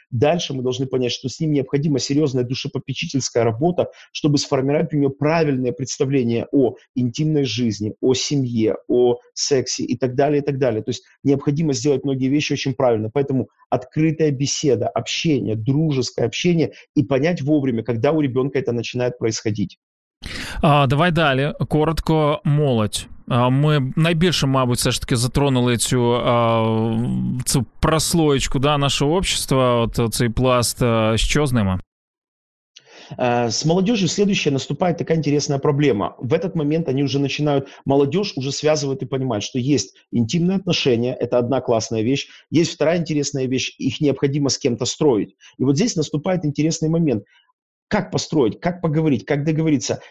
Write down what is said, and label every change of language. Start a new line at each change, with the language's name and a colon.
Russian: Дальше мы должны понять, что с ним необходима серьезная душепопечительская работа, чтобы сформировать у него правильное представление о интимной жизни, жизни, о семье, о сексе и так далее, и так далее. То есть необходимо сделать многие вещи очень правильно. Поэтому открытая беседа, общение, дружеское общение и понять вовремя, когда у ребенка это начинает происходить.
Ukrainian: Давай далі. Коротко, молодь. Ми найбільше, мабуть, все ж таки затронули цю прослоєчку, да, нашого общества, от цей пласт. Що з ними?
Russian: С молодежью следующая наступает такая интересная проблема. В этот момент они уже начинают, молодежь уже связывает и понимает, что есть интимные отношения, это одна классная вещь, есть вторая интересная вещь, их необходимо с кем-то строить. И вот здесь наступает интересный момент. Как построить, как поговорить, как договориться.